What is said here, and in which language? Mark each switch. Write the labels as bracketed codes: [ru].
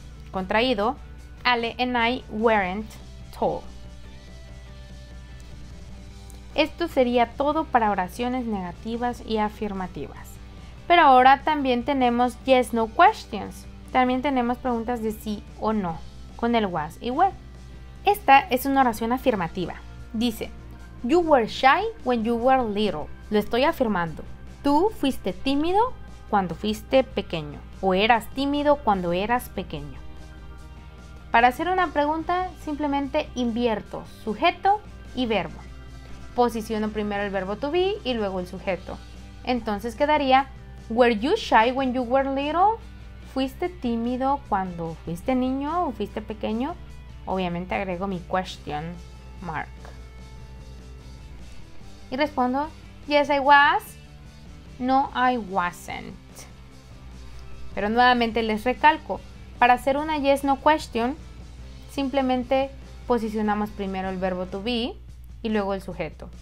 [es] Contraído, [en] Ale and I weren't tall. [es] Esto sería todo para oraciones negativas y afirmativas. Pero ahora también tenemos [en] yes, no questions. [es] También tenemos preguntas de sí o no con el was y were. Esta es una oración afirmativa. Dice, [en] you were shy when you were little. [es] Lo estoy afirmando. Tú fuiste tímido cuando fuiste pequeño. O eras tímido cuando eras pequeño. Para hacer una pregunta, simplemente invierto sujeto y verbo. Posiciono primero el verbo to be y luego el sujeto. Entonces quedaría, [en] were you shy when you were little? [es] ¿Fuiste tímido cuando fuiste niño o fuiste pequeño? Obviamente agrego mi question mark. Y respondo, [en] yes I was. No, I wasn't. [es] Pero nuevamente les recalco, para hacer una [en] yes no question, [es] simplemente posicionamos primero el verbo to be y luego el sujeto.